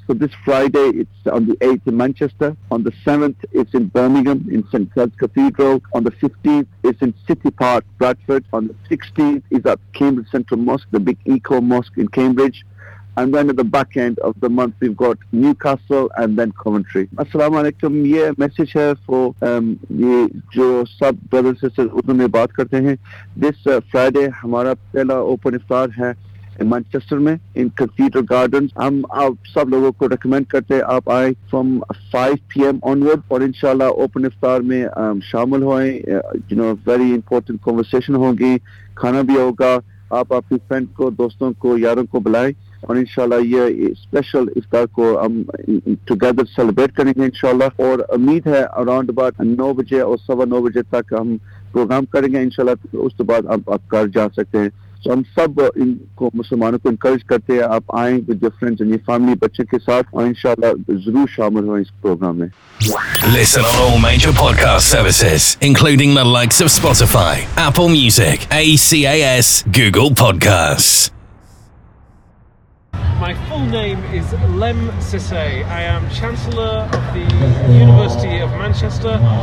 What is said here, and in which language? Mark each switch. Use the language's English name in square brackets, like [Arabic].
[English] So this Friday, it's on the 8th in Manchester. On the 7th, it's in Birmingham, in St. Giles Cathedral. On the 15th, it's in City Park, Bradford. On the 16th, it's at Cambridge Central Mosque, the big eco mosque in Cambridge. And then at the back end of the month, we've got Newcastle and then Coventry. [Arabic] Assalamu alaikum. [English] Yeah, message here for [Urdu] یہ جو سب [English] brothers and sisters [Urdu] Urdu میں بات کرتے ہیں. [English] This Friday, [Urdu] ہمارا پہلا open افطار ہے in Manchester میں, [English] in Cathedral Gardens. [Urdu] ہم آپ سب لوگو کو recommend کرتے آپ آئے [English] from 5 PM onward, [Urdu] اور انشاءاللہ open افطار میں شامل ہوئے. [English] You know, very important conversation [Urdu] ہوگی, کھانا بھی ہوگا. آپ اپنے friend کو, دوستوں کو, یاروں کو بلائے, اور انشاءاللہ یہ special افطار کو ہم together celebrate کریں گے انشاءاللہ. اور امید ہے [English] around about [Urdu] 9 بجے اور 9:15 بجے تک ہم پروگرام کریں گے انشاءاللہ. اسکے بعد آپ گھر جا سکتے ہیں. So ہم سب انکو مسلمانوں کو encourage کرتے ہیں, آپ آئے [English] with your friends and your family, [Urdu] بچے کے ساتھ, اور انشاءاللہ ضرور شامل ہوئے اس پروگرام میں. [English] Listen on all major podcast services including the likes of Spotify, Apple Music, ACAS, Google Podcasts. My full name is Lem Cisse. I am Chancellor of the University of Manchester.